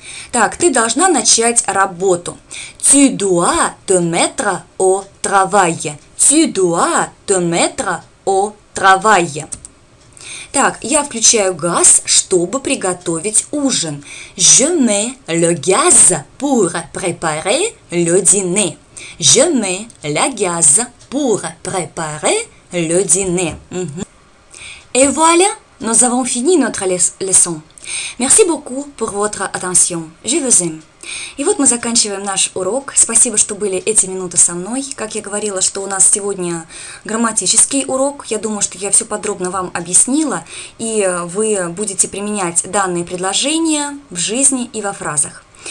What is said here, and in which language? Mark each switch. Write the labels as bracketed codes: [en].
[ru] Так, ты должна начать работу. [fr] Tu dois te mettre au travail. Tu dois te mettre au travail. [ru] Так, я включаю газ, чтобы приготовить ужин. [fr] Je mets le gaz pour préparer le dîner. Je mets le gaz pour préparer le dîner. Et voilà, nous avons fini notre leçon. Merci beaucoup pour votre attention. Je vous aime. [ru] И вот мы заканчиваем наш урок. Спасибо, что были эти минуты со мной. Как я говорила, что у нас сегодня грамматический урок. Я думаю, что я все подробно вам объяснила, и вы будете применять данные предложения в жизни и во фразах.